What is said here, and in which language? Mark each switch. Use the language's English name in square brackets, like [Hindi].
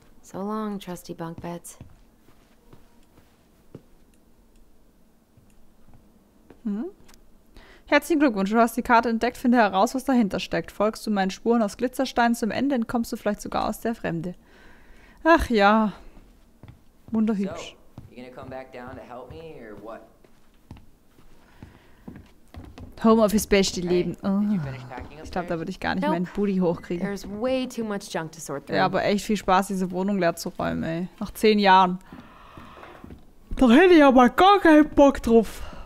[English] So long, trusty bunkbeds. [German] Herzlichen Glückwunsch, du hast die Karte entdeckt, finde heraus, was dahinter steckt. Folgst du meinen Spuren aus Glitzerstein zum Ende, dann kommst du vielleicht sogar aus der Fremde. Ach ja. Wunderhübsch. So. [English] You gonna come back down to help me or what? [German] Homeoffice beste hey, Leben. Oh. Ich glaube, da würde ich gar nicht meinen Booty hochkriegen. [English] There's way too much junk to sort through. [German] Ja, aber echt viel Spaß, diese Wohnung leer zu räumen, ey. Nach 10 Jahren. Da hätte ich aber gar keinen Bock drauf.